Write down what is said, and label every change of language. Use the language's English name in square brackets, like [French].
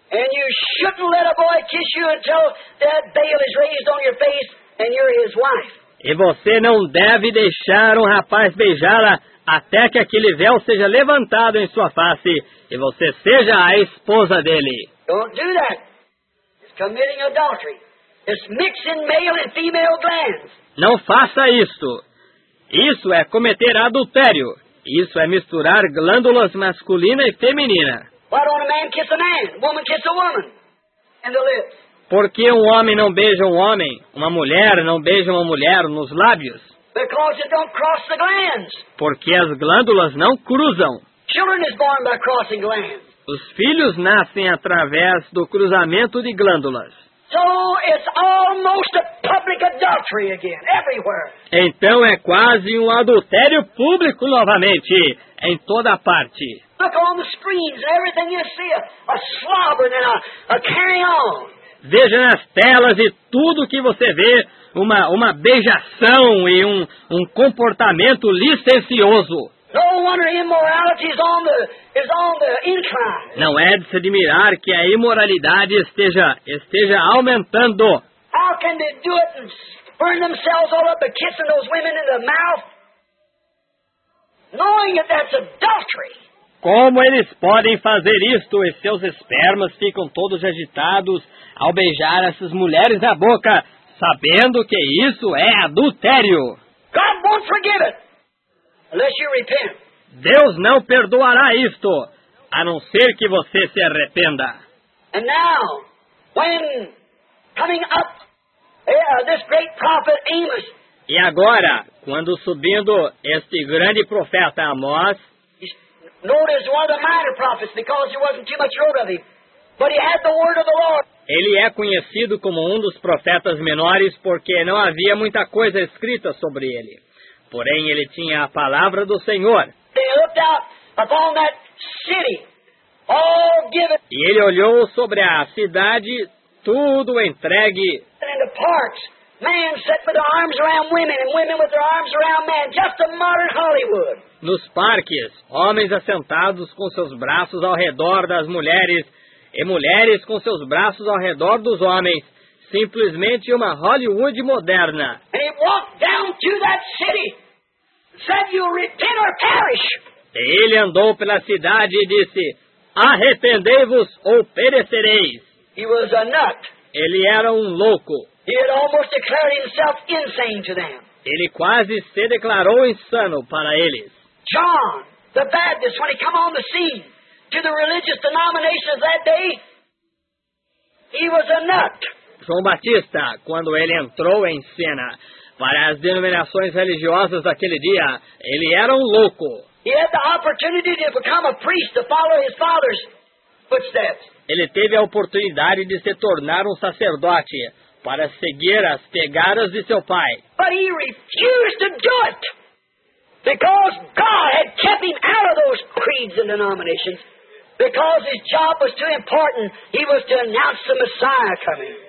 [English] And you shouldn't let a boy kiss you until that veil is raised on your face and you're his wife. [Portuguese] E você não deve deixar um rapaz beijá-la até que aquele véu seja levantado em sua face e você seja a esposa dele. [English] Don't do that. It's committing adultery. It's mixing male and female glands. [Portuguese] Não faça isso. Isso é cometer adultério. Isso é misturar glândulas masculina e feminina. [English] Why don't a man kiss a man? Woman kiss a woman. And the lips. [Portuguese] Por que um homem não beija um homem? Uma mulher não beija uma mulher nos lábios? [English] Because it don't cross the glands. [Portuguese] Porque as glândulas não cruzam. [English] Children is born by crossing glands. [Portuguese] Os filhos nascem através do cruzamento de glândulas. [English] So it's almost a public adultery again, everywhere. [Portuguese] Então é quase um adultério público novamente, em toda parte. [English] Look on the screens, everything you see, a slobbering and a carrying on. [Portuguese] Veja nas telas e tudo que você vê, uma beijação e um comportamento licencioso. [English] No wonder immorality is on the incline. [Portuguese] Não é de se admirar que a imoralidade esteja aumentando. [English] How can they do it and burn themselves all up by kissing those women in the mouth? Knowing that that's adultery. [Portuguese] Como eles podem fazer isto e seus espermas ficam todos agitados ao beijar essas mulheres na boca, sabendo que isso é adultério? [English] God won't forgive it, unless you repent. [Portuguese] Deus não perdoará isto, a não ser que você se arrependa. [English] And now, when coming up, this great prophet Amos. [Portuguese] E agora, quando subindo este grande profeta Amós, [English] notice one of the minor prophets because there wasn't too much heard of him. But he had the word of the Lord. [Portuguese] Ele é conhecido como um dos profetas menores porque não havia muita coisa escrita sobre ele. Porém, ele tinha a palavra do Senhor. [English] He looked out upon that city, all given. [Portuguese] E ele olhou sobre a cidade, tudo entregue. [English] And the parks, men set with their arms around women and women with their arms around men, just a modern Hollywood. [Portuguese] Nos parques, homens assentados com seus braços ao redor das mulheres e mulheres com seus braços ao redor dos homens. Simplesmente uma Hollywood moderna. [English] And he walked down to that city, said, "You'll repent or perish." [Portuguese] E ele andou pela cidade e disse, "Arrependei-vos ou perecereis." [English] He was a nut. [Portuguese] Ele era um louco. [English] He had almost declared himself insane to them. [Portuguese] Ele quase se declarou insano para eles. [English] John, the Baptist, when he came on the scene to the religious denominations that day, he was a nut. [Portuguese] João Batista, quando ele entrou em cena para as denominações religiosas daquele dia, ele era um louco. [English] He had the opportunity to become a priest to follow his father's footsteps. [Portuguese] Ele teve a oportunidade de se tornar um sacerdote para seguir as pegadas de seu pai. [English] But he refused to do it. Because God had kept him out of those creeds and denominations. Because his job was too important, he was to announce the Messiah coming.